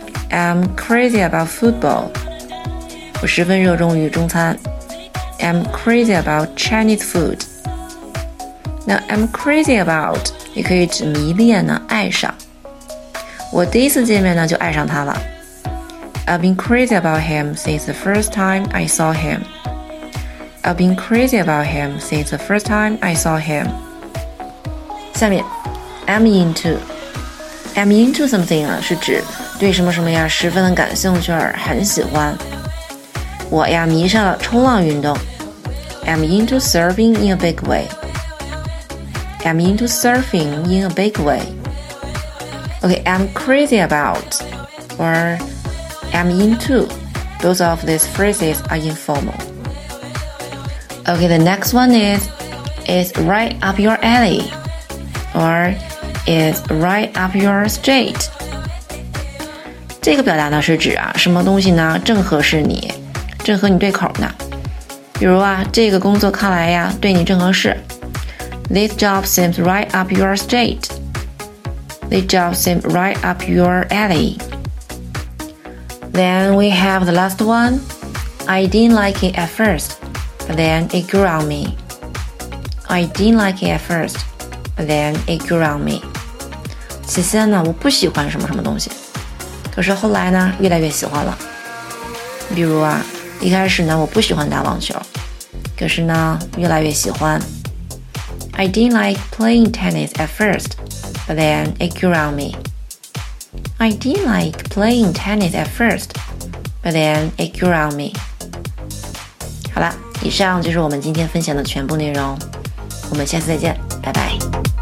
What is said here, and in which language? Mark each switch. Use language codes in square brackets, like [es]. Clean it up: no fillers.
[en] I'm crazy about football. [zh] 我十分热衷于中餐。 [en] I'm crazy about Chinese food. [zh] 那 [en] I'm crazy about [zh] 也可以指迷恋呢，爱上。我第一次见面呢就爱上他了。 [en] I've been crazy about him since the first time I saw him. I've been crazy about him since the first time I saw him. [zh] 下面 [en] I'm into. I'm into something [zh] 啊，是指对什么什么呀十分的感兴趣而很喜欢。我呀迷上了冲浪运动。 [en] I'm into surfing in a big way. I'm into surfing in a big way. Okay, I'm crazy about or I'm into. Both of these phrases are informal. Okay, the next one is, it's right up your alley, or it's right up your street. [zh] 这个表达呢是指啊，什么东西呢正合适你，正合你对口呢。比如啊，这个工作看来呀对你正合适。 [en] This job seems right up your street. This job seems right up your alley. Then we have the last one. I didn't like it at first. But then it grew on me. I didn't like it at first, but then it grew on me. [zh] 起先呢，我不喜欢什么什么东西，可是后来呢，越来越喜欢了。比如啊，一开始呢，我不喜欢打网球，可是呢，越来越喜欢。 [en] I didn't like playing tennis at first, but then it grew on me. I didn't like playing tennis at first, but then it grew on me. [zh] 好了。以上就是我们今天分享的全部内容，我们下次再见，拜拜。